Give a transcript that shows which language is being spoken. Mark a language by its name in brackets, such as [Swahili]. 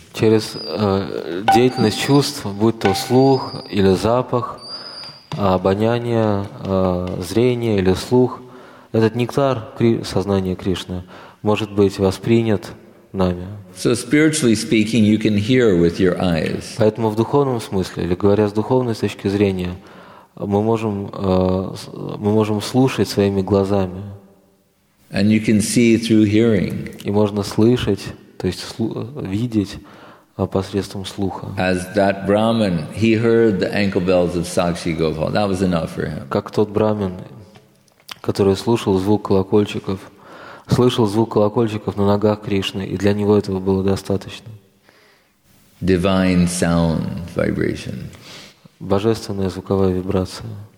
[Russian] Через деятельность чувств, будь то слух или запах, обоняние, зрение или слух, этот нектар сознания Кришны может быть воспринят нами. [English] So spiritually speaking, you can hear with your eyes. [Russian] Поэтому в духовном смысле, или говоря с духовной точки зрения, мы можем слушать своими глазами. [English] And you can see through hearing. [Russian] И можно слышать, то есть видеть посредством слуха. [English] As that Brahmin, he heard the ankle bells of Sakshi Gopal. That was enough for him. [Russian] Как тот Брамин, который слышал звук колокольчиков на ногах Кришны, и для него этого было достаточно. [English] Divine sound vibration. [Russian] Божественная звуковая вибрация.